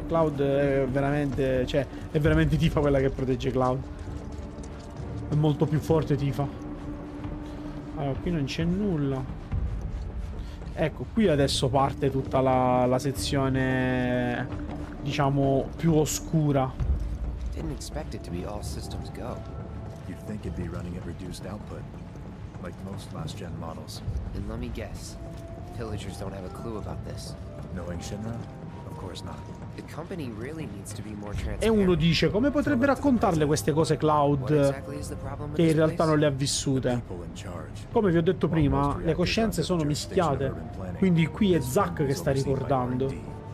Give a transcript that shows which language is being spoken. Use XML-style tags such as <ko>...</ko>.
<it>Cloud è veramente, cioè, è veramente Tifa quella che protegge Cloud. È molto più forte Tifa. Allora, qui non c'è nulla. Ecco, qui adesso parte tutta la sezione, diciamo, più oscura.</it> <en>Didn't expect it to be all systems go. You'd think it'd be running at reduced output, like most last gen models. And let me guess, pillagers don't have a clue about this. Knowing Shinra? Of course not. The company really needs to be more transparent.</en> <it>E uno dice, come potrebbe raccontarle queste cose Cloud che in realtà non le ha vissute? Come vi ho detto prima, le coscienze sono mischiate, quindi qui è Zack che sta ricordando.</it>